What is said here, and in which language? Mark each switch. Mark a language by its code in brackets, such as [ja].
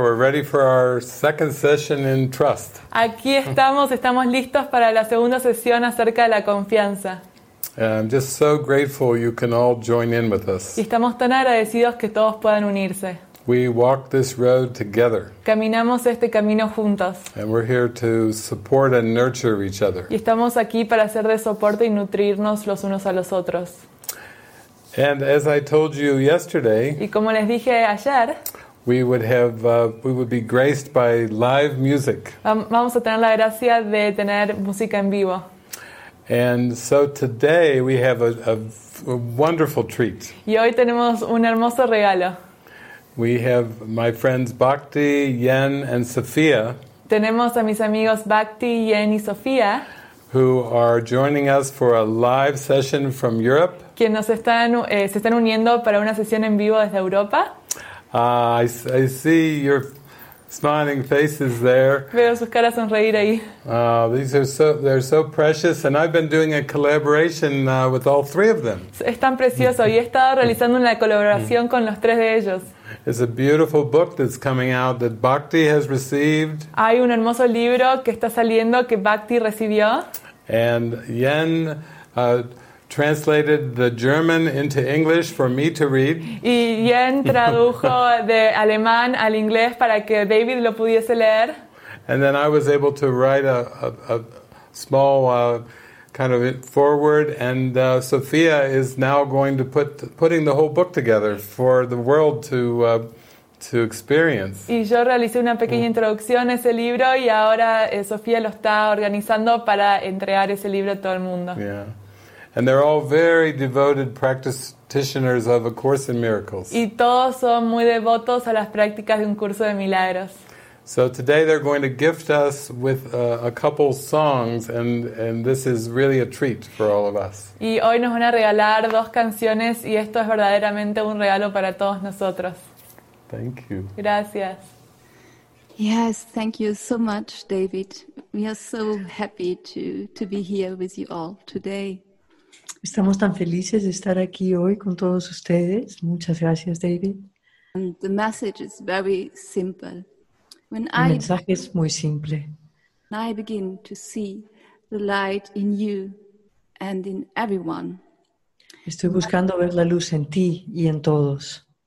[en] We're ready for our second session in trust. [es] Aquí estamos. Estamos listos para la segunda sesión acerca de la confianza. [en] And I'm just so grateful you can all join in with us. [es] Y estamos tan agradecidos que todos puedan unirse. [en] We walk this road together. [es] Caminamos este camino juntos. [en] And we're here to support and nurture each other. [es] Y estamos aquí para hacer de soporte y nutrirnos los unos a los otros. [en] And as I told you yesterday, [es] y como les dije ayer, [en] we would be graced by live music. [es] Vamos a tener la gracia de tener música en vivo. [en] And so today we have a wonderful treat. [es] Y hoy tenemos un hermoso regalo. [en] We have my friends Bhakti, Yen, and Sophia. [es] Tenemos a mis amigos Bhakti, Yen, y Sophia. [en] Who are joining us for a live session from Europe. [es] Quienes nos están, se están uniendo para una sesión en vivo desde Europa. [en] I see your smiling faces there. [es] Veo sus caras sonreír ahí. [en] They're so precious, and I've been doing a collaboration with all three of them. [es] Es tan precioso, y he estado realizando una colaboración con los tres de ellos. [en] It's a beautiful book that's coming out that Bhakti has received. [es] Hay un hermoso libro que está saliendo que Bhakti recibió. [en] And Yen translated the German into English for me to read. [es] Y Yen tradujo de alemán al inglés para que David lo pudiese leer. [en] And then I was able to write a small kind of foreword, and Sophia is now going to putting the whole book together for the world to experience. [es] Y yo realicé una pequeña introducción a ese libro, y ahora Sofía lo está organizando para entregar ese libro a todo el mundo. [en] Yeah. And they're all very devoted practitioners of A Course in Miracles. [es] Y todos son muy devotos a las prácticas de Un Curso de Milagros. [en] So today they're going to gift us with a couple songs, and this is really a treat for all of us. [es] Y hoy nos van a regalar dos canciones, y esto es verdaderamente un regalo para todos nosotros. [en] Thank you. [es] Gracias. [en] Yes, thank you so much, David. We are so happy to be here with you all today. [es] Estamos tan felices de estar aquí hoy con todos ustedes. Muchas gracias, David. [en] And the message is very simple. [es] When el mensaje es muy simple. [en] I begin to see the light in you and in everyone. [es] Estoy buscando ver la luz en ti y en todos.